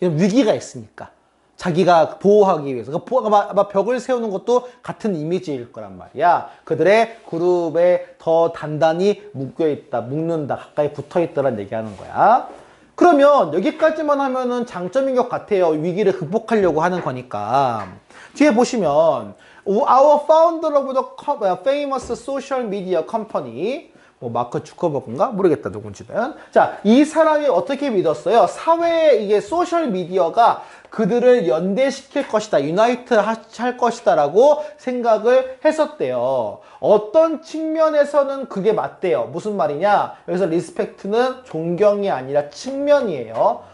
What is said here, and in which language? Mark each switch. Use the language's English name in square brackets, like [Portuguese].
[Korean] 위기가 있으니까 자기가 보호하기 위해서. 그러니까 아마 벽을 세우는 것도 같은 이미지일 거란 말이야. 그들의 그룹에 더 단단히 묶여있다, 묶는다, 가까이 붙어있다라는 얘기하는 거야. 그러면 여기까지만 하면은 장점인 것 같아요. 위기를 극복하려고 하는 거니까. 뒤에 보시면 [English] Our founder of the famous social media company, 뭐 마크 주커버그인가? [Korean] 모르겠다 누군지는. 자, 이 사람이 어떻게 믿었어요? 사회에 이게 소셜 미디어가 그들을 연대시킬 것이다, 유나이트 할 것이다 라고 생각을 했었대요. 어떤 측면에서는 그게 맞대요. 무슨 말이냐, 여기서 리스펙트는 존경이 아니라 측면이에요.